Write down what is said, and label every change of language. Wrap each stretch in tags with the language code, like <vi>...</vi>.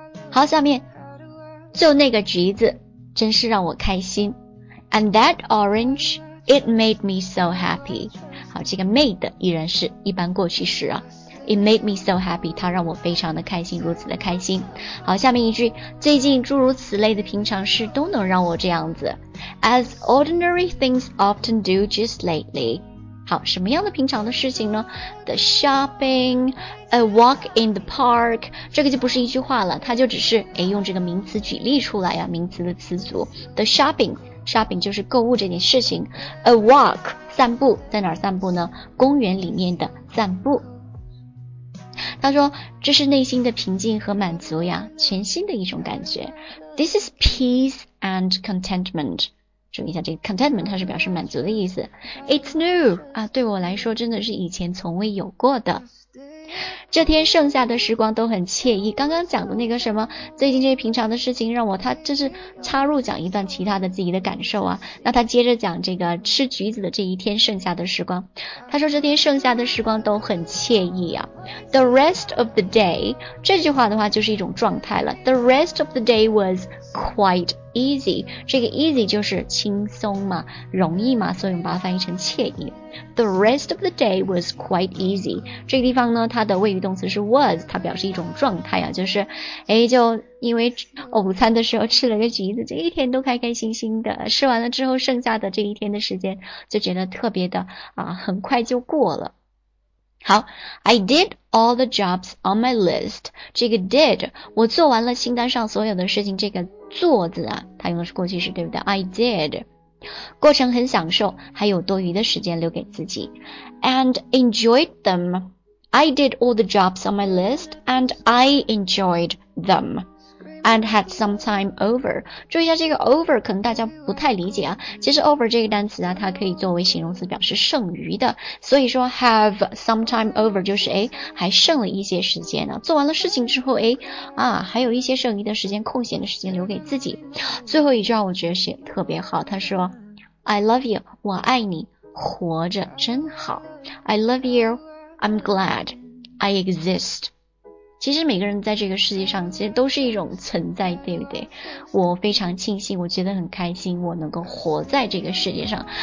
<zh>好，下面就那个橘子真是让我开心。</zh> <en>And that orange, it made me so happy.</en> <zh>好，这个 made 依然是一般过去时啊。</zh> <en>It made me so happy,</en> <zh>它让我非常的开心，如此的开心。好，下面一句，最近诸如此类的平常事都能让我这样子。</zh> <en>As ordinary things often do just lately.</en> <zh>好，什么样的平常的事情呢？</zh> <en>The shopping, a walk in the park,</en> <zh>这个就不是一句话了，它就只是诶用这个名词举例出来啊，名词的词组。</zh> <en>The shopping</en> <zh>就是购物这件事情。</zh> <en>A walk,</en> <zh>散步，在哪儿散步呢？公园里面的散步。他说这是内心的平静和满足呀，全新的一种感觉。</zh> <en>This is peace and contentment.</en> <zh>注意一下这个 contentment, 它是表示满足的意思。</zh> <en>It's new,</en> <zh>啊对我来说真的是以前从未有过的。这天剩下的时光都很惬意，刚刚讲的那个什么最近这些平常的事情让我，他这是插入讲一段其他的自己的感受啊。那他接着讲这个吃橘子的这一天剩下的时光，他说这天剩下的时光都很惬意啊。</zh> <en>The rest of the day,</en> <zh>这句话的话就是一种状态了。</zh> <en>The rest of the day was quite</en> <zh>easy， 这个 easy 就是轻松嘛，容易嘛，所以我们把它翻译成惬意。</zh> <en>The rest of the day was quite easy。</en> <zh>这个地方呢，它的谓语动词是 was， 它表示一种状态啊，就是，哎，就因为午餐的时候吃了个橘子，这一天都开开心心的。吃完了之后，剩下的这一天的时间就觉得特别的啊，很快就过了。</zh> <en>好 ,I did all the jobs on my list.</en> <zh>这个 did, 我做完了清单上所有的事情，这个做字啊，它用的是过去式，对不对 ?</zh> <en>I did.</en> <zh>过程很享受，还有多余的时间留给自己。</zh> <en>And enjoyed them. I did all the jobs on my list, and I enjoyed them. And had some time over.</en> <zh>注意一下这个 over， 可能大家不太理解啊。其实 over 这个单词啊，它可以作为形容词表示剩余的。所以说</zh> <en>have some time over</en> <zh>就是，哎，还剩了一些时间呢。做完了事情之后，哎，啊，还有一些剩余的时间，空闲的时间留给自己。最后一句话我觉得写特别好，他说</zh> <en>I love you，</en> <zh>我爱你，活着真好。</zh> <en>I love you， I'm glad I exist.</en> <zh>其实每个人在这个世界上其实都是一种存在，对不对？我非常庆幸，我觉得很开心，我能够活在这个世界上。</zh>